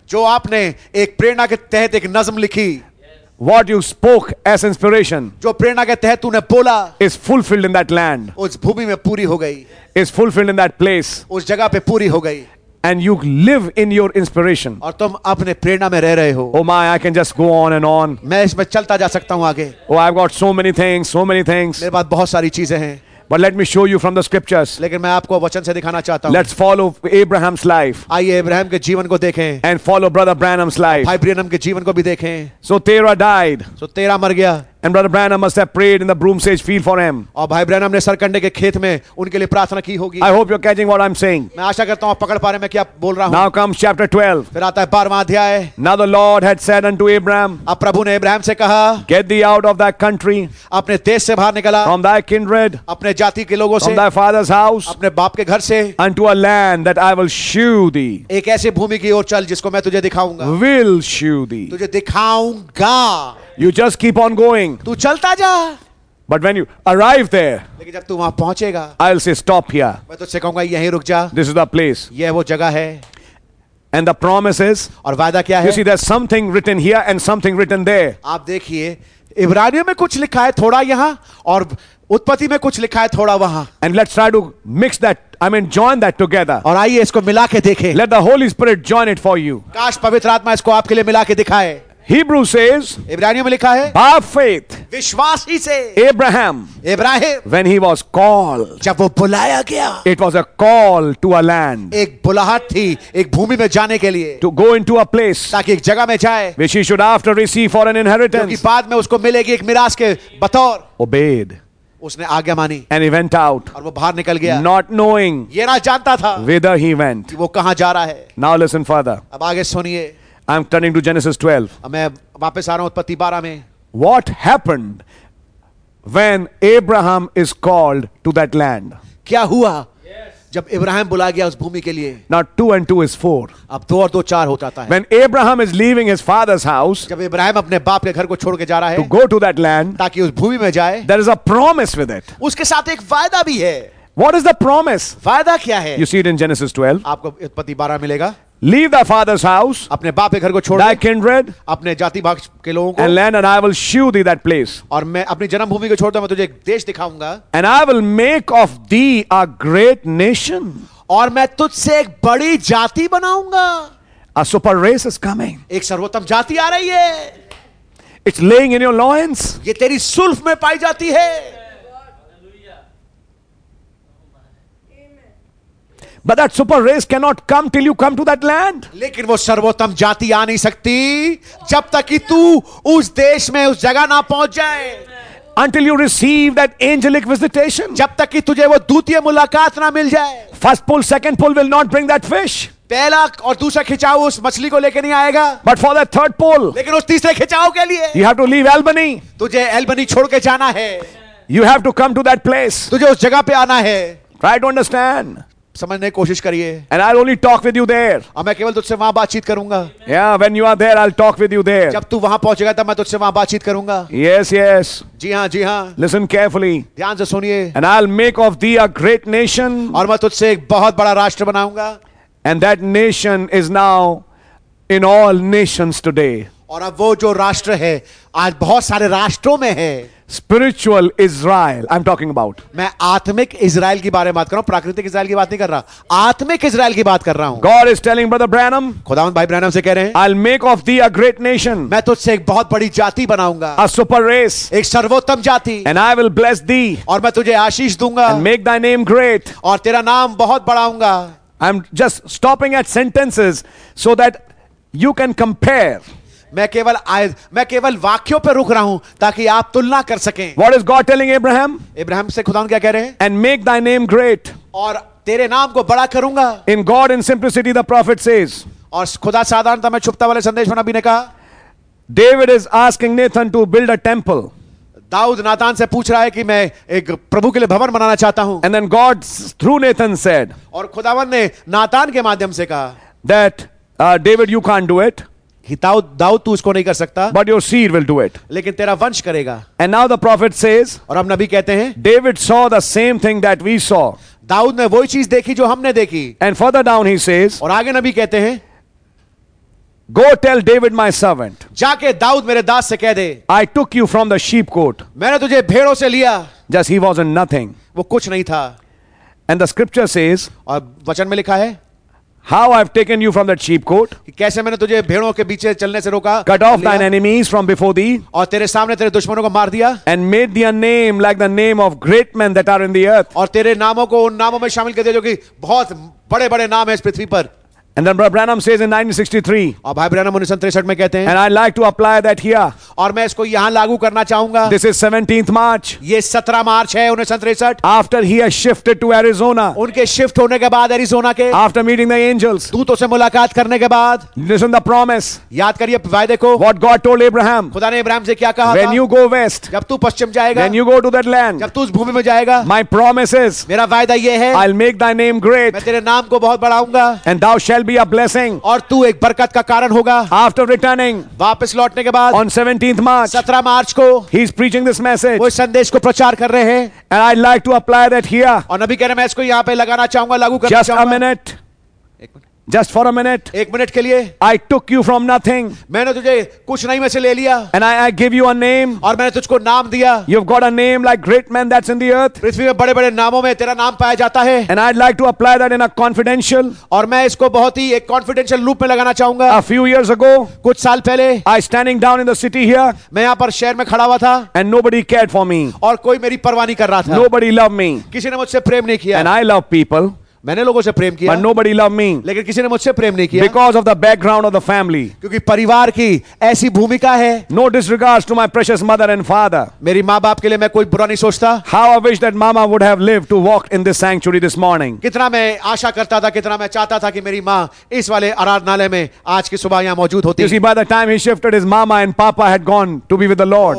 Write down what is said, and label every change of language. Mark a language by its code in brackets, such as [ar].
[hi] जो आपने एक प्रेरणा के तहत एक नज़म लिखी. [en] What you spoke as inspiration [hi] jo prerna ke tehat tune bola [en] is fulfilled in that land [hi] us bhumi mein puri ho gayi [en] is fulfilled in that place [hi] us jagah pe puri ho gayi [en] and you live in your inspiration [hi] aur tum apne prerna mein reh rahe ho [en] oh my I can just go on and on [hi] main isme chalta ja sakta hu aage [en] oh I've got so many things [hi] mere paas bahut sari cheeze hain [en] But let me show you from the scriptures. [hi] लेकिन मैं आपको वचन से दिखाना चाहता हूँ. [en] Let's follow Abraham's life. [hi] आइए Abraham के जीवन को देखें. [en] And follow Brother Branham's life. [hi] भाई ब्रैनम के जीवन को भी देखें. [en] So Terah died. [hi] So Terah मर गया. [en] And Brother Branham must have prayed in the broomsage field for him. [hi] और भाई ब्रैनम ने सरकंडे के खेत में उनके लिए प्रार्थना की होगी. [en] I hope you're catching what I'm saying. [hi] मैं आशा करता हूँ आप पकड़ पा रहे हैं मैं क्या बोल रहा हूँ. [en] Now comes chapter 12. [hi] फिर आता है 12वां अध्याय. [en] Now the Lord had said unto Abraham. [hi] अब प्रभु ने अब्राहम से कहा. [en] Get thee out of thy country. [hi] अपने देश से बाहर निकला. [en] From thy kindred. [hi] अपने जाति के लोगों से. [en] From thy father's house. [hi] अपने बाप के घर से. [en] Unto a land that I will shew thee. [hi] एक ऐसी भूमि की ओर चल जिसको मैं तुझे दिखाऊंगा. [en] Will shew thee. [hi] तुझे दिखाऊंगा. [en] You just keep on going. [hi] तू चलता जा. [en] But when you arrive there, [hi] लेकिन जब तू वहाँ पहुँचेगा, [en] I'll say stop here. [hi] मैं तुझसे कहूँगा यहीं रुक जा. [en] This is the place. [hi] ये वो जगह है. [en] And the promise is. [hi] और वादा क्या है? [en] You see, there's something written here and something written there. [hi] आप देखिए, इब्रानियों में कुछ लिखा है थोड़ा यहाँ और उत्पत्ति में कुछ लिखा है थोड़ा वहाँ. [en] And let's try to mix that. I mean, join that together. [hi] और आइए इसको मिला के देखें. [en] Let the Holy Spirit join it for you. [hi] काश पवित्र आत्मा इसको आपके लिए मिला के दिखाए. [en] Hebrew says, [hi] इब्रानियों में लिखा है, [en] by faith, [hi] विश्वास ही से, [en] Abraham, when he was called, [hi] जब वो बुलाया गया, [en] it was a call to a land, [hi] एक बुलाहट थी, एक भूमि में जाने के लिए, [en] to go into a place, [hi] ताकि एक जगह में जाए, [en] which he should after receive for an inheritance, [hi] क्योंकि बाद में उसको मिलेगी एक मिरास के बतौर, [en] obeyed. [hi] उसने आज्ञा मानी [en] and he went out [hi] और वो बाहर निकल गया [en] not knowing [hi] ये ना जानता था [en] whither he went [hi] वो कहां जा रहा है [en] now listen further [hi] अब आगे सुनिए [en] I'm turning to Genesis 12 [hi] मैं वापस आ रहा हूं उत्पत्ति 12 में [en] what happened when Abraham is called to that land [hi] क्या हुआ जब इब्राहिम बुलाया गया उस भूमि के लिए [en] Now 2 and 2 is 4 [hi] अब दो और दो चार हो जाता है [en] When Abraham is leaving his father's house [hi] जब इब्राहिम अपने बाप के घर को छोड़ के जा रहा है [en] to go to that land [hi] ताकि उस भूमि में जाए [en] there is a promise with it [hi] उसके साथ एक वायदा भी है [en] What is the promise [hi] वायदा क्या है [en] You see it in Genesis 12 [hi] आपको उत्पत्ति 12 मिलेगा [en] Leave thy father's house, [hi] अपने बाप के घर को छोड़ [en] thy kindred, [hi] अपने जाति भाग के लोगों को [en] and land and I will shew thee that place. [hi] और मैं अपनी जन्मभूमि को छोड़ता हूँ मैं तुझे एक देश दिखाऊंगा [en] and I will make of thee a great nation. [hi] और मैं तुझसे एक बड़ी जाति बनाऊंगा [en] a super race is coming. [hi] एक सर्वोत्तम जाति आ रही है [en] It's laying in your loins. [hi] ये तेरी सुल्फ में पाई जाती है [en] But that super race cannot come till you come to that land. [hi] लेकिन वो सर्वोत्तम जाति आ नहीं सकती जब तक कि तू उस देश में उस जगह ना पहुंच जाए. [en] Until you receive that angelic visitation. [hi] जब तक कि तुझे वो दूतीय मुलाकात ना मिल जाए. [en] First pull, second pull will not bring that fish. [hi] पहला और दूसरा खिंचाव उस मछली को लेकर नहीं आएगा [en] but for that third pole [hi] लेकिन उस तीसरे खिंचाव के लिए [en] you have to leave Albany. [hi] तुझे Albany छोड़ के जाना है. [en] You have to come to that place. [hi] तुझे उस जगह पे आना है. [en] Try to understand. [hi] समझने की कोशिश करिए [en] And I'll only talk with you there. [hi] मैं केवल तुझसे वहां बातचीत करूंगा [en] Yeah, when you are there, I'll talk with you there. [hi] जब तू वहां पहुंचेगा तब मैं तुझसे वहां बातचीत करूंगा [en] Yes, yes. [hi] जी हाँ [en] Listen carefully. [hi] ध्यान से सुनिए [en] And I'll make of thee a great nation. [hi] और मैं तुझसे एक बहुत बड़ा राष्ट्र बनाऊंगा [en] And that nation is now in all nations today. [hi] और अब वो जो राष्ट्र है आज बहुत सारे राष्ट्रों में है [en] Spiritual Israel, I'm talking about. [hi] मैं आत्मिक इज़राइल की बारे में बात कर रहा हूँ प्राकृतिक इज़राइल की बात नहीं कर रहा आत्मिक इज़राइल की बात कर रहा हूँ [en] God is telling Brother Branham, [hi] खुदावन भाई ब्रैनम से कह रहे हैं [en] I'll make of thee a great nation. [hi] मैं तुझसे एक बहुत बड़ी जाति बनाऊंगा [en] A super race. [hi] एक सर्वोत्तम जाति [en] And I will bless thee. [hi] और मैं तुझे आशीष दूंगा [en] And make thy name great. [hi] और तेरा नाम बहुत बढ़ाऊंगा [en] I'm just stopping at sentences so that you can compare. [hi] मैं केवल वाक्यों पर रुक रहा हूं ताकि आप तुलना कर सकें [en] What is God telling Abraham? [hi] Abraham से खुदा क्या कह रहे हैं [en] And make thy name great. [hi] और तेरे नाम को बड़ा करूंगा [en] In God in simplicity the prophet says. [hi] और खुदा साधारणता में छुपता वाले संदेश में नबी ने कहा [en] David is asking Nathan to build a temple. [hi] Dawood नाथान से पूछ रहा है कि मैं एक प्रभु के लिए भवन बनाना चाहता हूं [en] And then God through Nathan said. [hi] और खुदावन ने नाथान के माध्यम से कहा [en] That David you can't do it. [hi] Dawood तू इसको नहीं कर सकता [en] but your seed will do it [hi] लेकिन तेरा वंश करेगा [en] and now the prophet says [hi] और अब नबी कहते हैं [en] David saw the same thing that we saw [hi] Dawood ने वही चीज देखी जो हमने देखी [en] and further down he says [hi] और आगे नबी कहते हैं [en] Go tell David my servant. [hi] जाके दाऊद मेरे दास से कह दे. [en] I took you from the sheep court. [hi] मैंने तुझे भेड़ों से लिया. [en] Just he was nothing. [hi] वो कुछ नहीं था. [en] And the scripture says. [hi] और वचन में लिखा है. [en] How I've taken you from that sheep court. [hi] कैसे मैंने तुझे भेड़ों के पीछे चलने से रोका. [en] Cut off thine enemies from before thee. [hi] और तेरे सामने तेरे दुश्मनों को मार दिया. [en] And made thy name like the name of great men that are in the earth. [hi] और तेरे नामों को उन नामों में शामिल कर दिया जो कि बहुत बड़े-बड़े नाम हैं इस पृथ्वी पर. [en] And then Brother Branham says in 1963. And I like to apply that here. [hi] और मैं इसको यहाँ लागू करना चाहूँगा. [en] This is 17th March. [hi] ये 17 मार्च है 1963. [en] After he has shifted to Arizona. [hi] उनके shift होने के बाद Arizona के. [en] After meeting the angels. [hi] दूतों से मुलाकात करने के बाद. [en] Listen the promise. [hi] याद करिए वायदे को. [en] What God told Abraham. [hi] खुदा ने Abraham से क्या कहा? [en] When you go west. [hi] जब तू पश्चिम जाएगा. [en] When you go to that land. [hi] जब तू उस भूमि में जाएगा. [en] My promises. [hi] मेरा वायदा ये है. [en] I'll make thy name great. [hi] मैं तेरे नाम को बहुत बढ़ाऊंगा. [en] And thou shalt be a blessing. [hi] और तू एक बरकत का कारण होगा. [en] After returning, [hi] वापस लौटने के बाद, [en] on 17th March, [hi] 17 मार्च को, [en] he is preaching this message. [hi] वो इस संदेश को प्रचार कर रहे हैं. [en] And I'd like to apply that here. [hi] और अभी कह रहे हैं मैं इसको यहाँ पे लगाना चाहूँगा, लागू करना चाहूँगा. [en] Just a minute. Just for a minute. [hi] एक मिनट के लिए. [en] I took you from nothing. [hi] मैंने तुझे कुछ नहीं में से ले लिया. [en] And I give you a name. [hi] और मैंने तुझको नाम दिया. [en] You've got a name like great men that's in the earth. [hi] पृथ्वी में बड़े-बड़े नामों में तेरा नाम पाया जाता है. [en] And I'd like to apply that in a confidential. [hi] और मैं इसको बहुत ही एक confidential loop में लगाना चाहूँगा. [en] A few years ago. [hi] कुछ साल पहले. [en] I standing down in the city here. [hi] मैं यहाँ पर शहर में खड़ा हुआ था. [en] And nobody cared for me. [hi] और कोई मेरी परवाह नहीं कर रहा था. [en] Nobody loved me. [hi] किसी ने मुझसे प्रेम नहीं किया. [en] And I love people. [hi] मैंने लोगों से प्रेम किया [en] but nobody loved me. [hi] लेकिन किसी ने मुझसे प्रेम नहीं किया [en] because of the background of the family. [hi] क्योंकि परिवार की ऐसी भूमिका है. [en] No disregards to my precious mother and father. [hi] मेरी माँ बाप के लिए मैं कोई बुरा नहीं सोचता. [en] How I wish that mama would have lived to walk in this sanctuary this morning. [hi] कितना मैं आशा करता था, कितना मैं चाहता था कि मेरी माँ इस वाले आराधनालय में आज की सुबह यहाँ मौजूद होती. [en] You see, by the time he shifted, his mama and papa had gone to be with the Lord.